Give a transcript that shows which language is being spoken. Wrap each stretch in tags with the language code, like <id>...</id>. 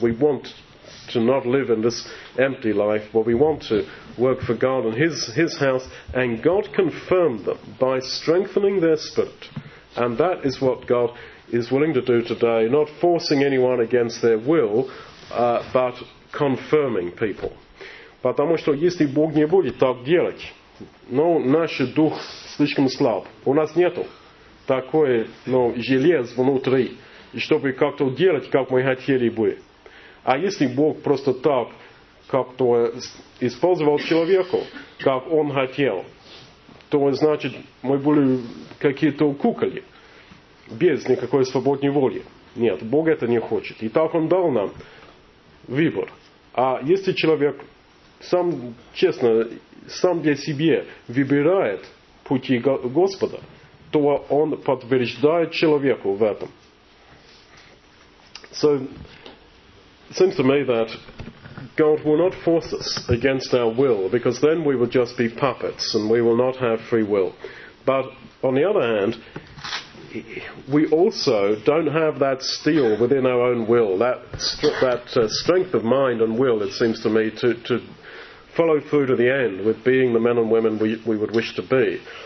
<en>We want to not live in this empty life, but we want to work for God and his house. And God confirmed them by strengthening their spirit. And that is what God is willing to do today, not forcing anyone against their will, but confirming people.</en> <ru>Потому что если Бог не будет так делать, ну, наш дух слишком слаб. У нас нету такой, ну, желез внутри, чтобы как-то делать, как мы хотели бы. А если Бог просто так как-то использовал человека, как он хотел, то значит мы были какие-то куколи. Без никакой свободной воли. Нет, Бог это не хочет. И так он дал нам выбор. А если человек сам, честно, сам для себя выбирает пути Господа, то он подтверждает человеку в этом.</ru> <en>So, it seems to me that God will not force us against our will, because then we will just be puppets and we will not have free will. But, on the other hand, we also don't have that steel within our own will, that strength of mind and will, it seems to me, to follow through to the end with being the men and women we would wish to be.</en>